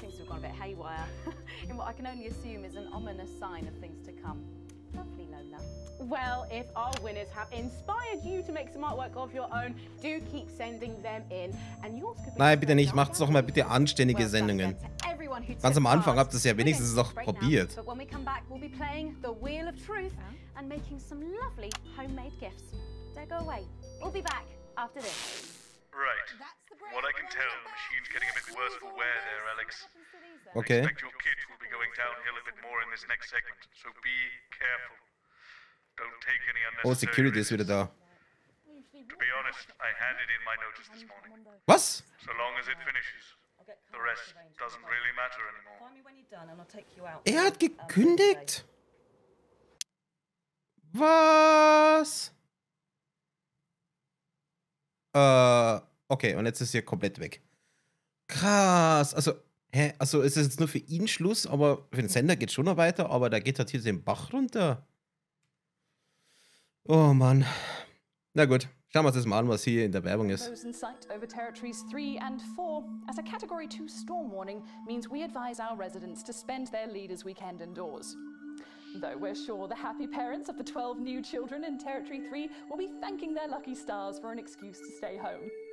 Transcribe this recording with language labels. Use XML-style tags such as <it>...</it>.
<en>A bit haywire in what I can only assume is an ominous sign of things to come. Lovely, Lola. Well, if our winners have inspired you to make some artwork of your own, do keep sending them in. And yours could be.</en> <de>Nein, bitte nicht. Macht's doch mal bitte anständige Sendungen. Ganz am Anfang habt ihr es ja wenigstens doch probiert.</de> <en>But when we come back, we'll be playing the Wheel of Truth and making some lovely homemade gifts. Don't go away. We'll be back after this. Right. That's the break. what I can tell, the machine's getting a bit worse for wear there, Alex. Okay. I expect your kit will be going downhill a bit more in this next segment, so be careful. Don't take any unnecessary... Oh, security is</en> <de>wieder da.</de> <en>To be honest, I handed in my notice this morning.</en> <de>Was?</de> <en>So long as it finishes. The rest doesn't really matter anymore.</en> <de>Er hat gekündigt? Was? Okay, und jetzt ist er komplett weg. Krass, also... Hä? Also ist es jetzt nur für ihn Schluss, aber für den Sender geht es schon noch weiter, aber da geht halt hier den Bach runter. Oh Mann. Na gut, schauen wir uns das mal an, was hier in der Werbung ist.</de> <en>Over territories 3 and 4, as a category 2 storm warning means we advise our residents to spend their leaders weekend indoors. Though we're sure the happy parents of the 12 new children in territory 3 will be thanking their lucky stars for an excuse to stay home.</en>